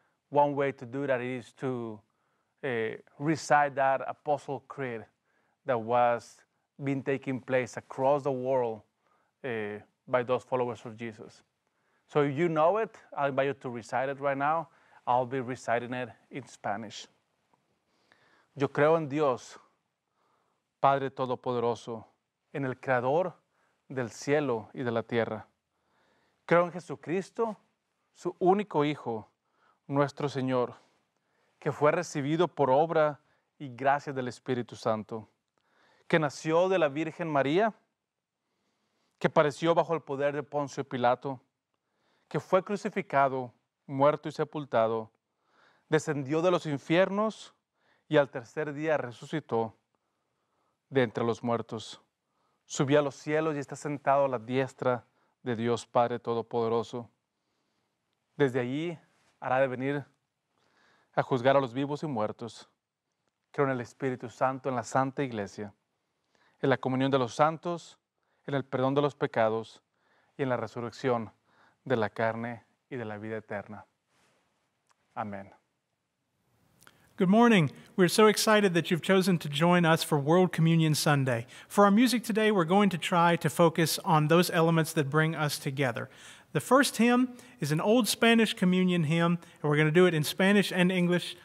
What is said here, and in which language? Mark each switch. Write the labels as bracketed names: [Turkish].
[English] One way to do that is to recite that Apostle Creed that was been taking place across the world by those followers of Jesus. So if you know it, I'll invite you to recite it right now. I'll be reciting it in Spanish. [Spanish] Yo creo en Dios, Padre Todopoderoso, en el Creador del cielo y de la tierra. Creo en Jesucristo, su único Hijo, nuestro Señor, que fue recibido por obra y gracia del Espíritu Santo, que nació de la Virgen María, que padeció bajo el poder de Poncio Pilato, que fue crucificado, muerto y sepultado, descendió de los infiernos y al tercer día resucitó de entre los muertos, subió a los cielos y está sentado a la diestra de Dios Padre Todopoderoso. Desde allí hará de venir a juzgar a los vivos y muertos. Creo en el Espíritu Santo, en la Santa Iglesia, en la comunión de los santos, en el perdón de los pecados y en la resurrección de la carne y de la vida eterna. Amén. [English] Good morning. We're so excited that you've chosen to join us for World Communion Sunday. For our music today, we're going to try to focus on those elements that bring us together. The first hymn is an old Spanish communion hymn, and we're going to do it in Spanish and English.